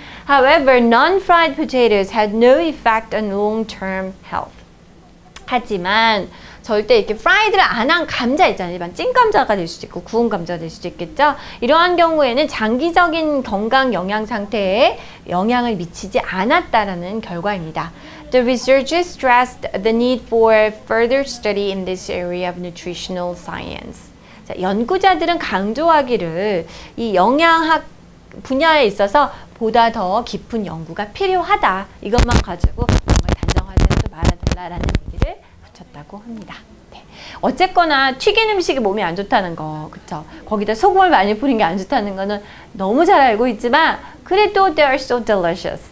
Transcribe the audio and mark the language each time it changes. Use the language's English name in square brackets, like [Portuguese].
[English] However, non-fried potatoes had no effect on long-term health. [Korean] 하지만 절대 이렇게 프라이드를 안 한 감자 있잖아요. 일반 찐감자가 될 수도 있고 구운 감자가 될 수도 있겠죠. 이러한 경우에는 장기적인 건강 영양 상태에 영향을 미치지 않았다라는 결과입니다. [English] The researchers stressed the need for further study in this area of nutritional science. [Korean] 자, 연구자들은 강조하기를 이 영양학 분야에 있어서 보다 더 깊은 연구가 필요하다. 이것만 가지고 정말 단정하지도 말아달라라는 얘기를 붙였다고 합니다. 네. 어쨌거나 튀긴 음식이 몸에 안 좋다는 거, 그쵸? 거기다 소금을 많이 뿌린 게 안 좋다는 거는 너무 잘 알고 있지만 그래도 [English] they are so delicious.